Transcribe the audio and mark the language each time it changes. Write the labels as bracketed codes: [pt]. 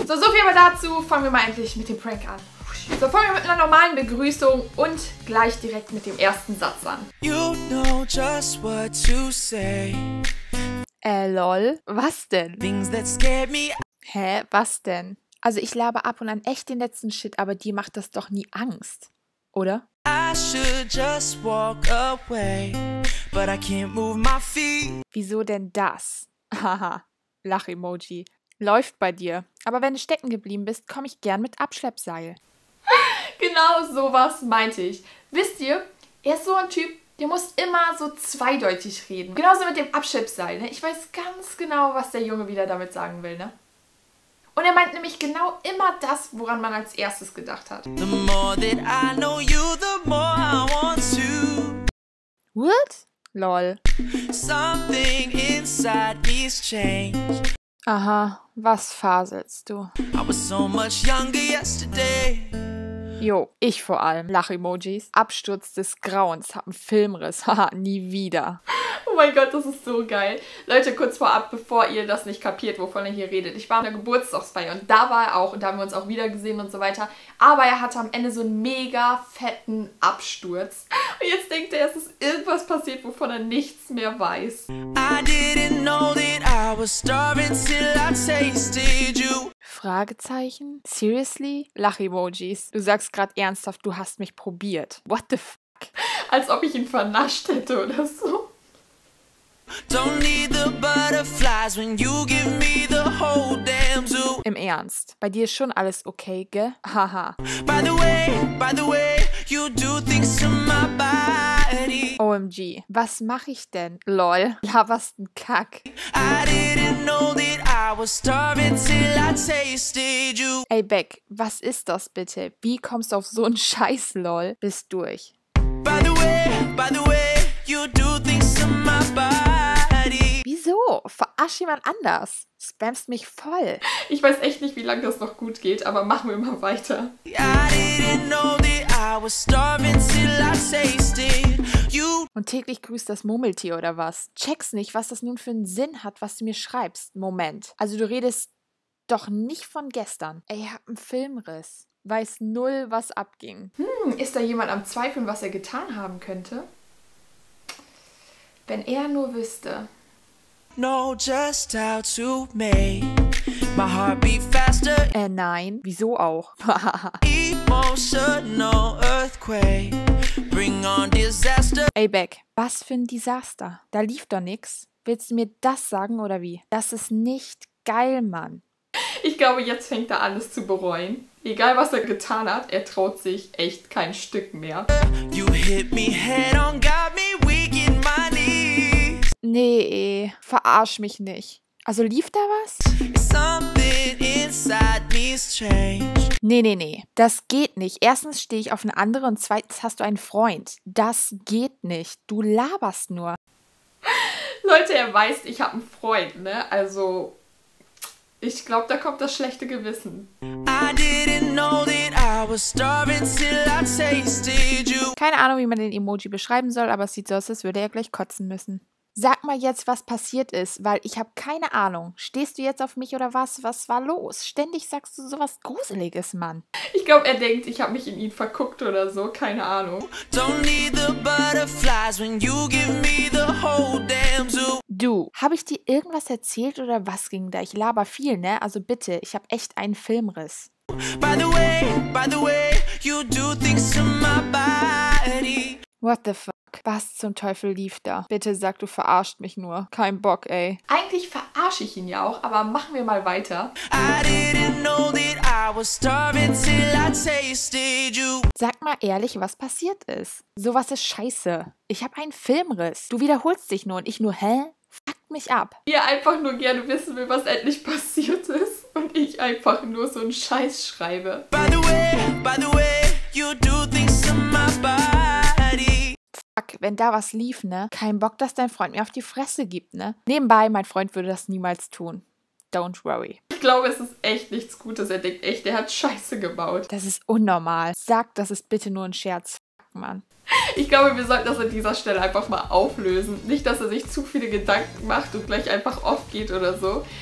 [de] So, so viel aber dazu. Fangen wir mal endlich mit dem Prank an. So, fangen wir mit einer normalen Begrüßung und gleich direkt mit dem ersten Satz an. [en] You know just what to say. [de] Lol, was denn? [en] Things that scared me. [de] Hä, was denn? Also ich laber ab und an echt den letzten Shit, aber dir macht das doch nie Angst, oder? [en] I should just walk away, but I can't move my feet. [de] Wieso denn das? Haha, Lach-Emoji. Läuft bei dir. Aber wenn du stecken geblieben bist, komme ich gern mit Abschleppseil. Genau sowas meinte ich. Wisst ihr, er ist so ein Typ, der muss immer so zweideutig reden. Genauso mit dem Abschleppseil, ne? Ich weiß ganz genau, was der Junge wieder damit sagen will, ne? Und er meint nämlich genau immer das, woran man als erstes gedacht hat. [en] The more that I know you, the more I want to. What? Lol. Something inside me has changed. [de] Aha, was faselst du? [en] I was so much younger yesterday. [de] Jo, ich vor allem. Lach-Emojis. Absturz des Grauens. Hab einen Filmriss. Haha, nie wieder. Oh mein Gott, das ist so geil. Leute, kurz vorab, bevor ihr das nicht kapiert, wovon er hier redet. Ich war in der Geburtstagsfeier und da war er auch und da haben wir uns auch wieder gesehen und so weiter. Aber er hatte am Ende so einen mega fetten Absturz. Und jetzt denkt er, es ist irgendwas passiert, wovon er nichts mehr weiß. [en] I didn't know that I was starving till I tasted you. [de] Fragezeichen? [en] Seriously? [de] Lach-Emojis. Du sagst gerade ernsthaft, du hast mich probiert. [en] What the fuck? [de] Als ob ich ihn vernascht hätte oder so. [en] Don't need the butterflies when you give me the whole damn zoo. [de] Im Ernst, bei dir ist schon alles okay, gell? Haha. [en] By the way, you do things to my body. [de] OMG, was mach ich denn? Lol, laberst ein Kack. [en] I didn't know that I was starving till I tasted you. [de] Ey Beck, was ist das bitte? Wie kommst du auf so einen Scheiß, lol? Bist durch. [en] By the way, you do things to my body. [de] So, verarsch jemand anders. Spammst mich voll. Ich weiß echt nicht, wie lange das noch gut geht, aber machen wir mal weiter. Und täglich grüßt das Murmeltier oder was? Check's nicht, was das nun für einen Sinn hat, was du mir schreibst. Moment. Also du redest doch nicht von gestern. Ey, ich hab einen Filmriss. Weiß null, was abging. Ist da jemand am Zweifeln, was er getan haben könnte? Wenn er nur wüsste... [en] No, just how to make my heart beat faster. [de] Nein, wieso auch? [en] Emotional earthquake, bring on disaster. [de] Ey Beck, was für ein Desaster. Da lief doch nix. Willst du mir das sagen oder wie? Das ist nicht geil, Mann. Ich glaube, jetzt fängt er alles zu bereuen. Egal, was er getan hat, er traut sich echt kein Stück mehr. [en] You hit me head on, got me weak in my knees. [de] Nee, verarsch mich nicht. Also lief da was? [en] Something inside me's changed. [de] Nee. Das geht nicht. Erstens stehe ich auf eine andere und zweitens hast du einen Freund. Das geht nicht. Du laberst nur. Leute, er weiß, ich habe einen Freund, ne? Also, ich glaube, da kommt das schlechte Gewissen. [en] I didn't know that I was starving till I tasted you. [de] Keine Ahnung, wie man den Emoji beschreiben soll, aber es sieht so aus, als würde er gleich kotzen müssen. Sag mal jetzt, was passiert ist, weil ich habe keine Ahnung. Stehst du jetzt auf mich oder was? Was war los? Ständig sagst du sowas Gruseliges, Mann. Ich glaube, er denkt, ich habe mich in ihn verguckt oder so. Keine Ahnung. [en] Don't need the butterflies when you give me the whole damn zoo. [de] Du, habe ich dir irgendwas erzählt oder was ging da? Ich laber viel, ne? Also bitte, ich habe echt einen Filmriss. [en] By the way, you do things to my body. What the fuck? [de] Was zum Teufel lief da? Bitte sag, du verarscht mich nur. Kein Bock, ey. Eigentlich verarsche ich ihn ja auch, aber machen wir mal weiter. [en] I didn't know that I was starving till I tasted you. [de] Sag mal ehrlich, was passiert ist. Sowas ist scheiße. Ich hab einen Filmriss. Du wiederholst dich nur und ich nur, hä? Fuck mich ab. Ihr einfach nur gerne wissen will, was endlich passiert ist und ich einfach nur so einen Scheiß schreibe. [en] By the way, you do things to my body. [de] Fuck, wenn da was lief, ne? Kein Bock, dass dein Freund mir auf die Fresse gibt, ne? Nebenbei, mein Freund würde das niemals tun. [en] Don't worry. [de] Ich glaube, es ist echt nichts Gutes. Er denkt echt, er hat Scheiße gebaut. Das ist unnormal. Sag, das ist bitte nur ein Scherz. Fuck, Mann. Ich glaube, wir sollten das an dieser Stelle einfach mal auflösen. Nicht, dass er sich zu viele Gedanken macht und gleich einfach aufgeht oder so.